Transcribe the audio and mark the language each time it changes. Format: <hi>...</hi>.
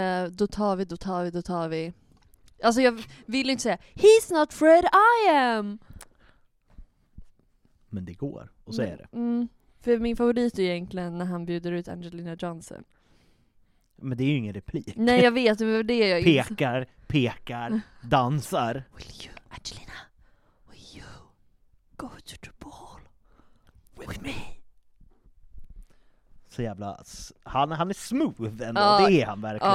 <sv>Då tar vi. Alltså jag vill inte säga</sv> <en>he's not Fred, I am!</en> <sv>Men det går, och så är det. Mm, för min favorit är egentligen när han bjuder ut Angelina Johnson. Men det är ju ingen replik. Nej, jag vet, men det är det jag pekar, inte. Pekar, dansar.</sv> <en>Will you, Angelina, will you go to the ball with me?</en> <sv>Så jävla, han är smooth ändå, ah, det är han verkligen.</sv>